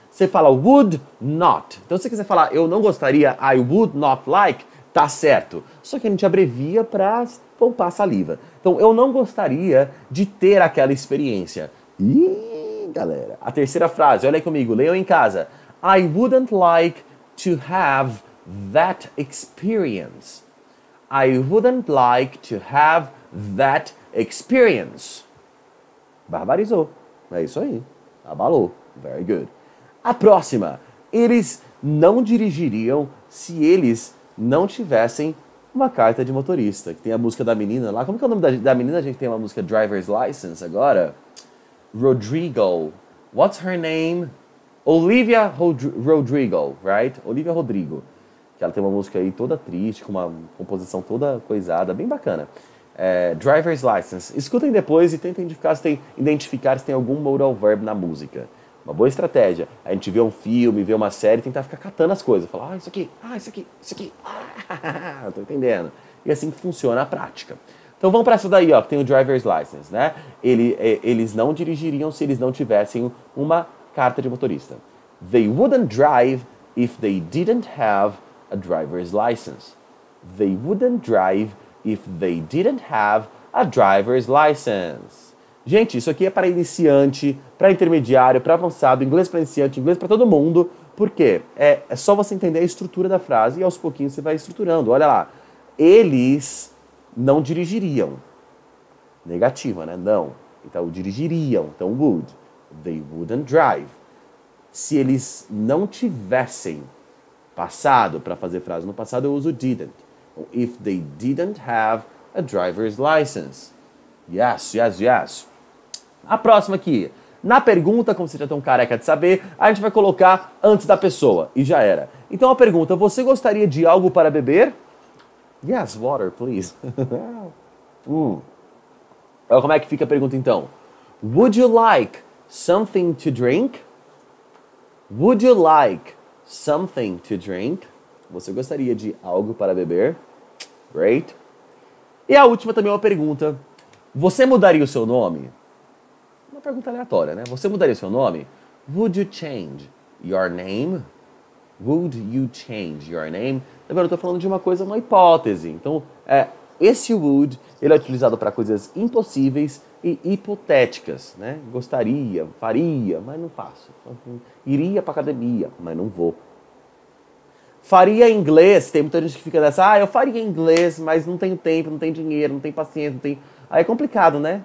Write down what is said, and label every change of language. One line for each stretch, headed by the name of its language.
Portuguese: Você fala
English: would not.
Portuguese: Então, se você quiser falar eu não gostaria,
English: I would not like,
Portuguese: tá certo. Só que a gente abrevia pra poupar saliva. Então, eu não gostaria de ter aquela experiência. Ih, galera. A terceira frase, olha aí comigo, leiam em casa.
English: I wouldn't like to have that experience. I wouldn't like to have that experience.
Portuguese: Barbarizou. É isso aí. Abalou.
English: Very good.
Portuguese: A próxima. Eles não dirigiriam se eles não tivessem uma carta de motorista. Que tem a música da menina lá. Como que é o nome da menina? A gente tem uma música Driver's License agora.
English: Rodrigo. What's her name? Olivia Rodrigo, right? Olivia Rodrigo.
Portuguese: Que ela tem uma música aí toda triste, com uma composição toda coisada. Bem bacana. É, Driver's License. Escutem depois e tentem identificar se tem algum modal verb na música. Uma boa estratégia. A gente vê um filme, vê uma série, tentar ficar catando as coisas. Falar, ah, isso aqui, ah, isso aqui, isso aqui. Ah, tô entendendo. E assim que funciona a prática. Então vamos pra essa daí, ó, que tem o Driver's License, né? Eles não dirigiriam se eles não tivessem uma carta de motorista.
English: They wouldn't drive if they didn't have a driver's license. They wouldn't drive if they didn't have a driver's license.
Portuguese: Gente, isso aqui é para iniciante, para intermediário, para avançado, inglês para iniciante, inglês para todo mundo. Por quê? É só você entender a estrutura da frase e aos pouquinhos você vai estruturando. Olha lá. Eles não dirigiriam. Negativa, né? Não. Então, dirigiriam. Então, would.
English: They wouldn't drive.
Portuguese: Se eles não tivessem passado, para fazer frase no passado, eu uso didn't.
English: If they didn't have a driver's license. Yes, yes, yes.
Portuguese: A próxima aqui. Na pergunta, como você já tem um careca de saber, a gente vai colocar antes da pessoa. E já era. Então a pergunta, você gostaria de algo para beber?
English: Yes, water, please.
Portuguese: Olha como é que fica a pergunta então.
English: Would you like something to drink? Would you like something to drink?
Portuguese: Você gostaria de algo para beber? Great. E a última também é uma pergunta. Você mudaria o seu nome? Uma pergunta aleatória, né? Você mudaria o seu nome?
English: Would you change your name? Would you change your name?
Portuguese: Agora eu estou falando de uma coisa, uma hipótese. Então, esse would, ele é utilizado para coisas impossíveis e hipotéticas, né? Gostaria, faria, mas não faço. Iria para academia, mas não vou. Faria inglês, tem muita gente que fica nessa, eu faria inglês, mas não tenho tempo, não tenho dinheiro, não tenho paciência, não tenho... Aí é complicado, né?